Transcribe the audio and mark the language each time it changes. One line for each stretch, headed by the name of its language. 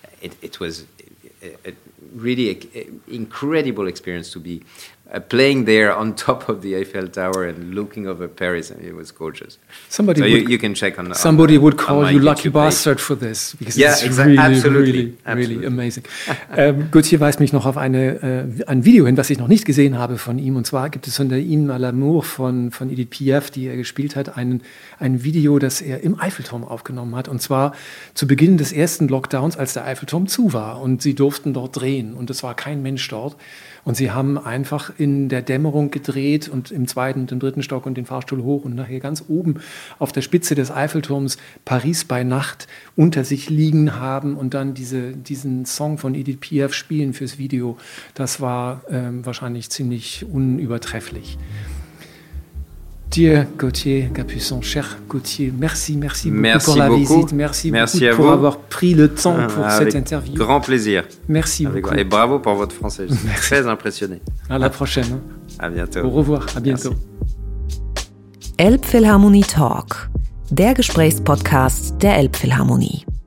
English: It was a really incredible experience to be playing there on top of the Eiffel Tower and looking over Paris. And it was gorgeous. Somebody so would, you can check on... Somebody on, would call you lucky bastard for this. Because yeah, it's exactly, really, absolutely, really, absolutely. Really amazing.
German: Gauthier weist mich noch auf ein Video hin, was ich noch nicht gesehen habe von ihm. Und zwar gibt es von der Hymne à l'amour von Edith Piaf, die er gespielt hat, ein Video, das er im Eiffelturm aufgenommen hat. Und zwar zu Beginn des ersten Lockdowns, als der Eiffelturm zu war. Und sie durften dort drehen. Und es war kein Mensch dort. Und sie haben einfach in der Dämmerung gedreht und im zweiten und im dritten Stock und den Fahrstuhl hoch und nachher ganz oben auf der Spitze des Eiffelturms Paris bei Nacht unter sich liegen haben und dann diesen Song von Edith Piaf spielen fürs Video. Das war wahrscheinlich ziemlich unübertrefflich.
French: Dir, Gauthier Capuçon, cher Gauthier, merci beaucoup pour la visite, merci beaucoup pour avoir pris le temps pour cette interview. Grand plaisir. Merci avec beaucoup. Et bravo pour votre français, je suis très impressionné. À la prochaine. À bientôt. Au revoir, à bientôt.
German: Elbphilharmonie Talk, der Gesprächspodcast der Elbphilharmonie.